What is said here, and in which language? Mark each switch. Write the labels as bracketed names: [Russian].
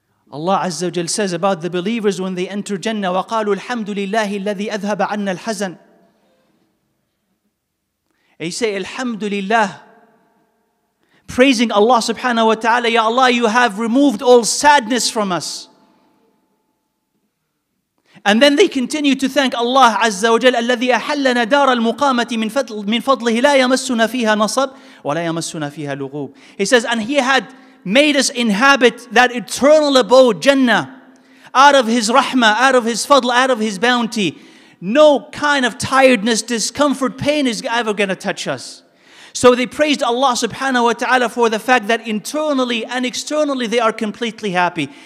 [English] Allah Azza wa Jal says about the believers when they enter Jannah, [Arabic] وَقَالُوا الْحَمْدُ لِلَّهِ الَّذِي أَذْهَبَ عَنَّا الْحَزَنِ. [English] They say, Alhamdulillah, praising Allah subhanahu wa ta'ala, Ya Allah, you have removed all sadness from us. And then they continue to thank Allah Azza wa Jal, [Arabic] الَّذِي أَحَلَّنَا دَارَ الْمُقَامَةِ مِنْ فَضْلِهِ لَا يَمَسُّنَا فِيهَا نَصَبٌ وَلَا يَمَسُّنَا فِيهَا لُغُوبٌ. [English] He says, and he had made us inhabit that eternal abode, Jannah, out of his rahmah, out of his fadl, out of his bounty. No kind of tiredness, discomfort, pain is ever going to touch us. So they praised Allah subhanahu wa ta'ala for the fact that internally and externally they are completely happy.